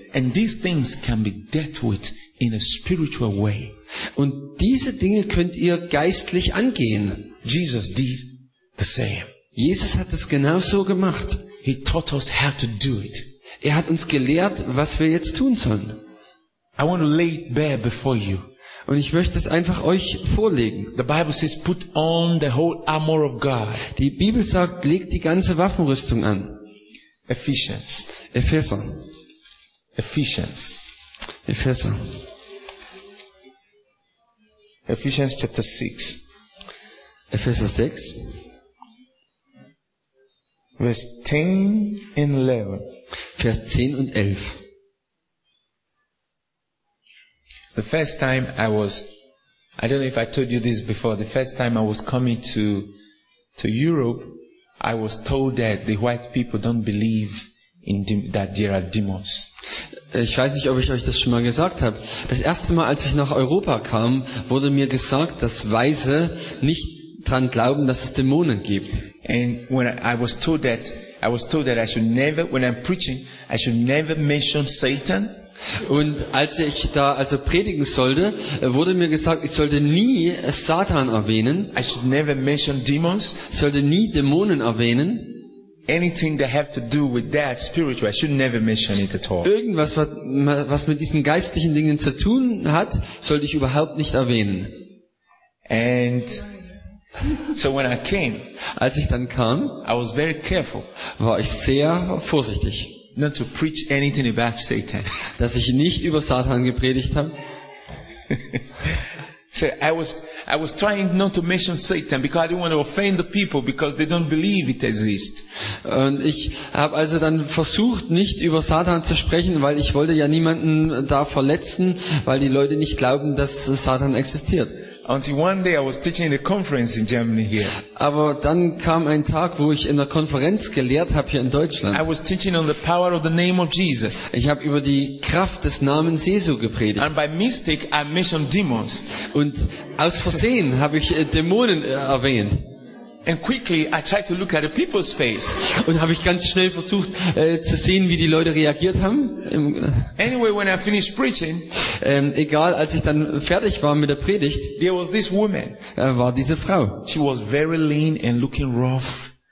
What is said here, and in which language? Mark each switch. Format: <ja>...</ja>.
<en>And these things can be dealt with in a spiritual way.</en> <de>Und diese Dinge könnt ihr geistlich angehen.</de> <en>Jesus did the same.</en> <de>Jesus hat es genauso gemacht.</de> <en>He taught us how to do it.</en> <de>Er hat uns gelehrt, was wir jetzt tun sollen.</de> <en>I want to lay it bare before you.</en> <de>Und ich möchte es einfach euch vorlegen.</de> <en>The Bible says, put on the whole armor of God.</en> <de>Die Bibel sagt, legt die ganze Waffenrüstung an.</de> <en>Ephesians.</en> <de>Epheser.</de> <en>Ephesians.</en> <de>Epheser.</de> <en>Ephesians chapter 6.</en> <de>Epheser 6. Vers 10 und 11. Vers 10 und 11.</de> <en>The first time I was, I don't know if I told you this before, the first time I was coming to Europe, I was told that the white people don't believe in that there are demons.</en> <de>Ich weiß nicht, ob ich euch das schon mal gesagt habe. Das erste Mal, als ich nach Europa kam, wurde mir gesagt, dass Weiße nicht dran glauben, dass es Dämonen gibt.</de> <en>And when I was told that, I was told that I should never, when I'm preaching, I should never mention Satan.</en> <de>Und als ich da also predigen sollte, wurde mir gesagt, ich sollte nie Satan erwähnen.</de> <en>I should never mention demons.</en> <de>Sollte nie Dämonen erwähnen.</de> <en>Anything that have to do with that spiritual, I should never mention it at all.</en> <de>Irgendwas, was mit diesen geistlichen Dingen zu tun hat, sollte ich überhaupt nicht erwähnen.</de> <en>And so when I came,</en> <de>als ich dann kam,</de> <en>I was very careful.</en> <de>War ich sehr vorsichtig.</de> <en>Not to preach anything about Satan.</en> <de>Dass ich nicht über Satan gepredigt habe.</de> <en>So I was trying not to mention Satan because I didn't want to offend the people because they don't believe it exists.</en> <de>Und ich habe also dann versucht, nicht über Satan zu sprechen, weil ich wollte ja niemanden da verletzen, weil die Leute nicht glauben, dass Satan existiert.</de> <en>Until one day I was teaching in a conference in Germany here.</en> <de>Aber dann kam ein Tag, wo ich in der Konferenz gelehrt habe hier in Deutschland.</de> <en>I was teaching on the power of the name of Jesus.</en> <de>Ich habe über die Kraft des Namens Jesu gepredigt.</de> <en>And by mistake I mentioned demons.</en> <de>Und aus Versehen habe ich Dämonen erwähnt.</de> <en>And quickly I tried to look at the people's face.</en> <de>Und habe ich ganz schnell versucht zu sehen, wie die Leute reagiert haben.</de> <en>Anyway, when I finished preaching,</en> <de>egal, als ich dann fertig war mit der Predigt,</de> <en>there was this woman.</en> <de>War diese Frau.</de> <en>She was very lean and looking rough.</en>